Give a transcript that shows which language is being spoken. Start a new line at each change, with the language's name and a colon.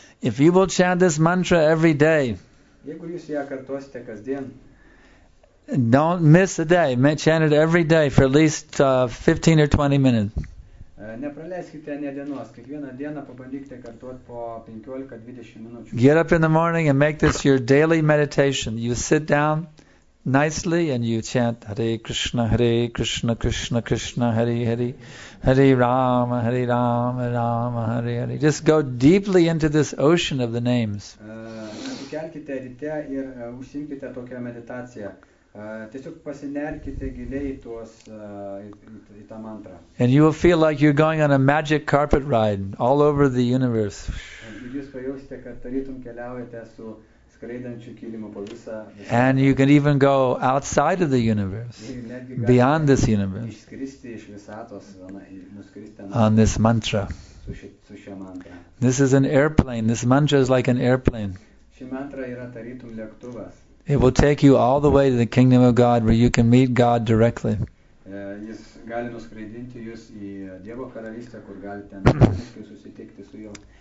English: If you will chant this mantra every day,
Lithuanian: jeigu jūs ją kartosite kasdien,
English: don't miss a day. Chant it every day for at least 15 or 20 minutes.
Lithuanian: Nepraleiskite nė dienos. Kiekvieną dieną pabandykite kartuoti po 15-20 minučių.
English: Get up in the morning and make this your daily meditation. You sit down nicely and you chant Hare Krishna, Hare Krishna, Krishna Krishna, Hare Hare, Hare Rama, Hare Rama, Rama, Hare Hare. Just go deeply into this ocean of the names.
Lithuanian: Atsikelkite ryte ir užsiimkite tokią meditaciją. Tiesiog pasinerkite giliai į tą mantrą.
English: And you will feel like you're going on a magic carpet ride all over the universe.
Lithuanian: Jūs pajausite, kad tarytum keliaujate su skraidančiu kilimu po visą.
English: And you can even go outside of the universe, beyond this universe,
Lithuanian: išskristi iš visatos,
English: on this mantra.
Lithuanian: Su šia mantra.
English: This is an airplane. This mantra is like an airplane.
Lithuanian: Ši mantra yra tarytum lėktuvas.
English: It will take you all the way to the kingdom of God where you can meet God directly.
Lithuanian: Jis gali nuskraidinti jūs į Dievo karalystę, kur galite susitikti su juo.